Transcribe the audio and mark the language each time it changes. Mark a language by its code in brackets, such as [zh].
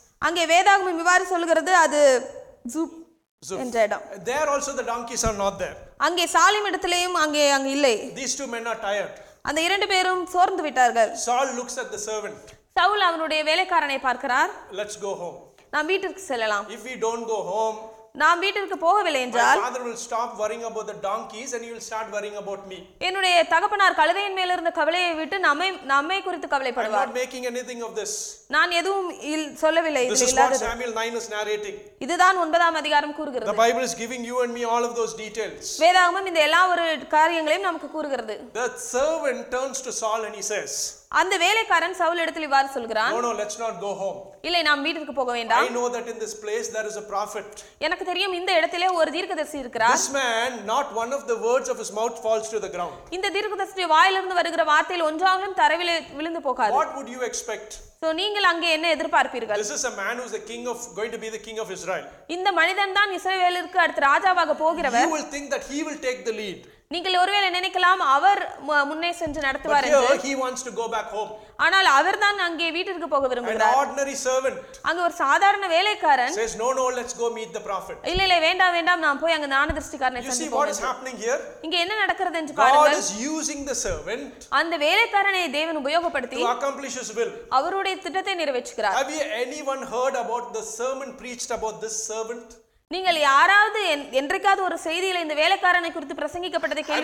[ta] அங்கே வேதாகமம் இவ்வாறு சொல்கிறது அது Zuf என்ற இடம். [en] There also the donkeys are not there. [ta] அங்கே சாலிம் இடத்திலேயும் அங்கே அங்க இல்லை. [en] These two men are tired. [ta] அந்த இரண்டு பேரும் சோர்ந்து விட்டார்கள். [en] Saul looks at the servant. [ta] Saul அவனுடைய வேலைக்காரனை பார்க்கிறார். [en] Let's go home. [ta] நாம் வீட்டிற்கு செல்லலாம். [en] If we don't go home, [ta] நாம் வீட்டிற்கு போகவில்லை என்றால் [en] my father will stop worrying about the donkeys and he will start worrying about me. [ta] என்னுடைய தகப்பனார் கழுதையின் மேலிருந்த கவலையை விட்டு நம்மை குறித்து கவலைப்படுவார். [en] I'm not making anything of this. [ta] நான் எதுவும் சொல்லவில்லை. [en] This is what Samuel 9 is narrating. [ta] இதுதான் 9 அதிகாரம் கூறுகிறது. [en] The Bible is giving you and me all of those details. [ta] வேதாகமம் இந்த எல்லா ஒரு காரியங்களையும் நமக்கு கூறுகிறது. [en] The servant turns to Saul and he says, [ta] அந்த வேலைக்காரன் சவுல் இடத்தில் இவ்வாறு சொல்கிறான். [en] No, no, let's not go home. [ta] இல்லை, நாம் வீட்டுக்கு போக வேண்டாம். [en] I know that in this place there is a prophet. [ta] எனக்கு தெரியும் இந்த இடத்திலே ஒரு தீர்க்கதரிசி இருக்கிறார். [en] This man, not one of the words of his mouth falls to the ground. [ta] இந்த தீர்க்கதரிசி வாயிலிருந்து வருகிற வார்த்தையில் ஒன்றாகிலும் தரையிலே விழுந்து போகாது. [en] What would you expect? [ta] So நீங்கள் அங்கே என்ன எதிர்பார்ப்பீர்கள்? [en] This is a man who is the king of going to be the king of Israel. [ta] இந்த மனிதன் தான் இஸ்ரவேலுக்கு அடுத்து ராஜாவாக போகிறவர். [en] You will think that he will take the lead. [ta] நீங்கள் ஒருவேளை நினைக்கலாம் அவர் முன்னே சென்று நடத்துவார் என்று. ஆனால் அவர் தான் அங்கே வீட்டிற்கு போக விரும்புகிறார். [en] An ordinary servant. [ta] அங்கே ஒரு சாதாரண வேலைக்காரன் [en] says no no let's go meet the prophet. [ta] இல்ல இல்ல வேண்டாம் வேண்டாம் நான் போய் அங்க ஞானதிருஷ்டிக்காரனை சந்திப்போம். [en] You see what is happening here? [ta] இங்க என்ன நடக்கிறது என்று பாருங்கள். [en] God is using the servant. [ta] அந்த வேலைக்காரனை தேவன் உபயோகப்படுத்தி [en] to accomplish his will. [ta] அவருடைய திட்டத்தை நிறைவேற்றுகிறார். [en] Have you anyone heard about the sermon preached about this servant? [ta] நீங்கள் யாராவது என்றைக்காவது ஒரு செய்தியில இந்த வேலைக்காரனை குறித்து பிரசங்கிக்கப்பட்டதை